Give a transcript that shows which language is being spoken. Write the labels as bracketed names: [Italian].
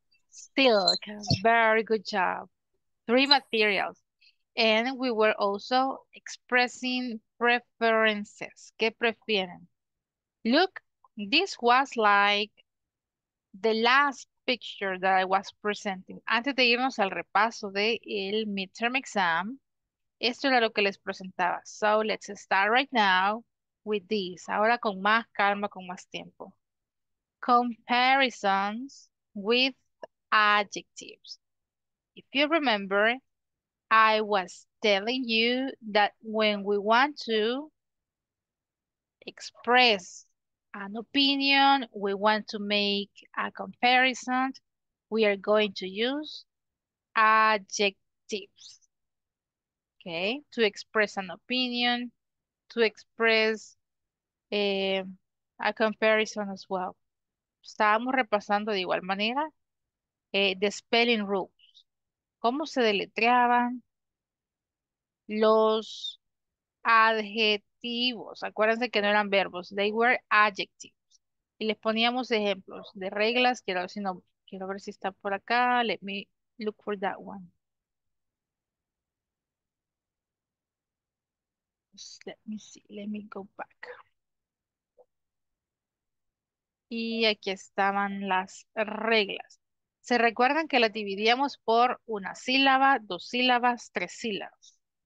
[English] Silk. Very good job. Three materials. And we were also expressing preferences. [Spanish] ¿Qué prefieren? [English] Look, this was like the last picture that I was presenting. [Spanish] Antes de irnos al repaso de el midterm exam, esto era lo que les presentaba. [English] So let's start right now with this. [Spanish] Ahora con más calma, con más tiempo. [English] Comparisons with adjectives. If you remember, I was telling you that when we want to express an opinion, we want to make a comparison, we are going to use adjectives. Okay, to express an opinion, to express a comparison as well. [Spanish] Estábamos repasando de igual manera [English] the spelling rules. [Spanish] ¿Cómo se deletreaban los adjetivos? Acuérdense que no eran verbos, [English] they were adjectives. [Spanish] Y les poníamos ejemplos de reglas. Quiero ver si no, quiero ver si está por acá. [English] Let me look for that one. Let me see, let me go back. [Spanish] Y aquí estaban las reglas. ¿Se recuerdan que las dividíamos por una sílaba, dos sílabas, tres sílabas?